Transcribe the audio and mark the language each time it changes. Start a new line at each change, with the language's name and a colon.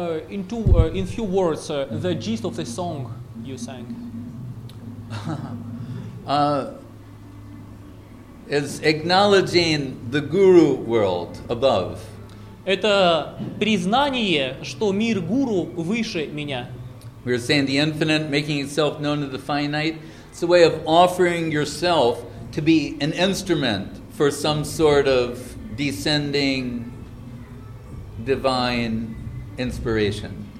English: In few words, the gist of the song you sang. Is acknowledging the guru world above.
Russian: Это признание, что мир гуру выше меня.
English: We are saying the infinite making itself known to the finite. It's a way of offering yourself to be an instrument for some sort of descending divine inspiration.